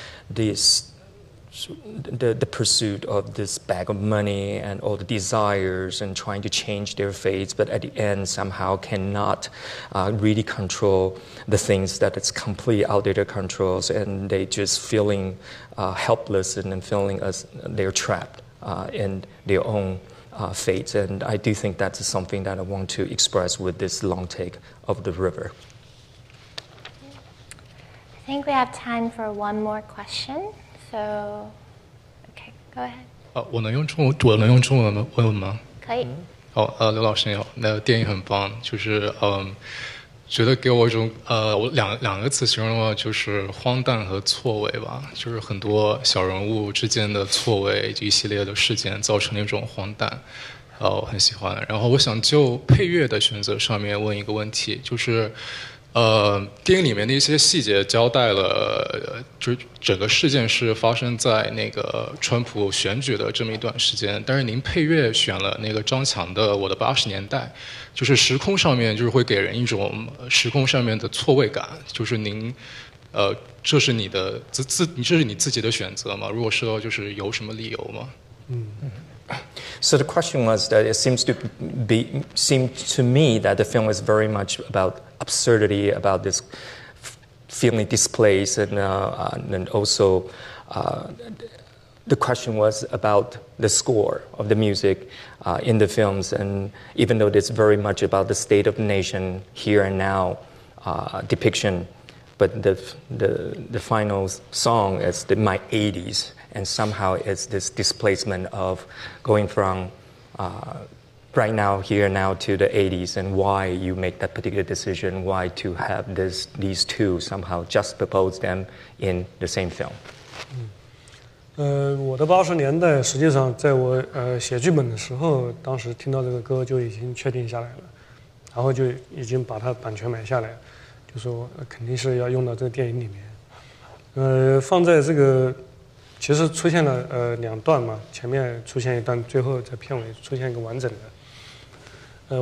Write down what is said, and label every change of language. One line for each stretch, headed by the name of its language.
English: the pursuit of this bag of money and all the desires and trying to change their fates, but at the end somehow cannot really control the things that it's completely out of their controls, and they just feeling helpless and then feeling as they're trapped in their own fate. And I do think that's something that I want to express with this long take of the river. I think we have time for one more question. So, okay, go ahead.
Chinese: 我能用中文问吗？可以。刘老师你好，那电影很棒，就是觉得给我一种两个词形容的话，就是荒诞和错位吧，就是很多小人物之间的错位，一系列的事件造成的一种荒诞，我很喜欢。然后我想就配乐的选择上面问一个问题，就是电影里面的一些细节交代了，就整个事件是发生在那个川普选举的这么一段时间。但是您配乐选了那个张强的《我的八十年代》，就是时空上面就是会给人一种时空上面的错位感。就是您，这是你的这是你自己的选择吗？如果说就是有什么理由吗？嗯。
English: So the question was that it seemed to me that the film is very much about absurdity, about this feeling displaced, and also the question was about the score of the music in the films, and even though it's very much about the state of the nation here and now depiction, but the final song is my 80s. And somehow it's this displacement of going from right now, here now, to the 80s, and why you make that particular decision, why to have these two somehow juxtapose them in the same film.
Chinese: 我的八十年代实际上在我写剧本的时候，当时听到这个歌就已经确定下来了，然后就已经把它版权买下来，就说肯定是要用到这个电影里面。放在这个其实出现了两段嘛，前面出现一段，最后在片尾出现一个完整的。